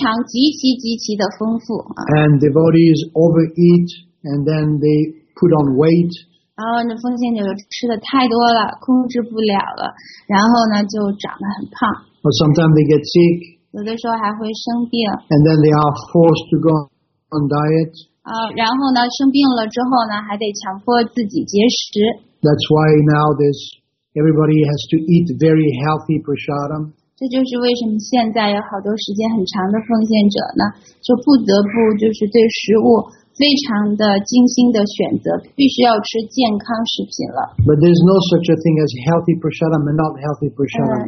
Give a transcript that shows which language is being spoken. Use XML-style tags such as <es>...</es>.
<zh>但是在中国其他的一些庙宇里面呢，我们就可以看到他们做出来的这个prasadam呢，都是非常口味很重的，就是非常极其极其的丰富。</zh> <en>And devotees overeat and then they put on weight.</en> <zh>然后呢，奉献者吃的太多了，控制不了了，然后呢就长得很胖。</zh> <en>But sometimes they get sick.</en> <zh>有的时候还会生病。</zh> <en>And then they are forced to go on diet.</en> <zh>然后呢，生病了之后呢，还得强迫自己节食。</zh> <en>That's why now there's everybody has to eat very healthy prasadam.</en> <zh>这就是为什么现在有好多时间很长的奉献者呢，就不得不就是对食物。非常的精心的选择，必须要吃健康食品了。But</zh> <en>there's no such a thing as healthy prasadam and not healthy prasadam.</en>